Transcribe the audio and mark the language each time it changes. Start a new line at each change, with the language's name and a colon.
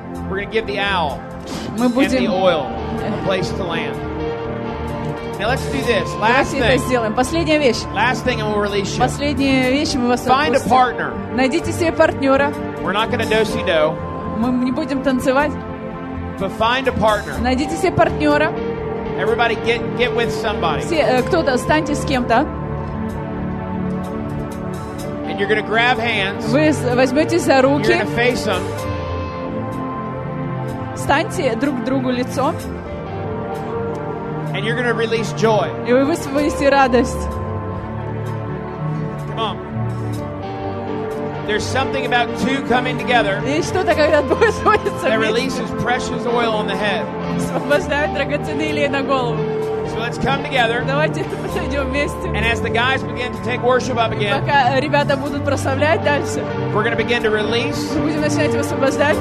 English: We're going to give the owl and the oil a place to land. Now let's do this. Last
Russian: Давайте
English: thing.
Russian: Это сделаем. Последняя вещь.
English: Last thing, and we'll release you.
Russian: Последняя вещь, мы вас отпустим.
English: Find a partner.
Russian: Найдите себе партнера.
English: We're not going to do-si-do.
Russian: Мы не будем танцевать.
English: But find a partner.
Russian: Найдите себе партнера.
English: Everybody, get with somebody.
Russian: Все, кто-то, станьте с кем-то.
English: And you're going to grab hands.
Russian: Вы возьмете за руки.
English: You're going to face them.
Russian: Станьте друг другу лицом.
English: And you're going to release joy.
Russian: И вы высвободите радость.
English: Come on. There's something about two coming together.
Russian: Есть что-то, когда двое сходятся.
English: That releases precious oil on the head.
Russian: Освобождает драгоценный олей на голову.
English: So let's come together.
Russian: Давайте подойдем вместе.
English: And as the guys begin to take worship up again.
Russian: Пока ребята будут прославлять дальше.
English: We're going to begin to release.
Russian: Будем начинать высвобождать.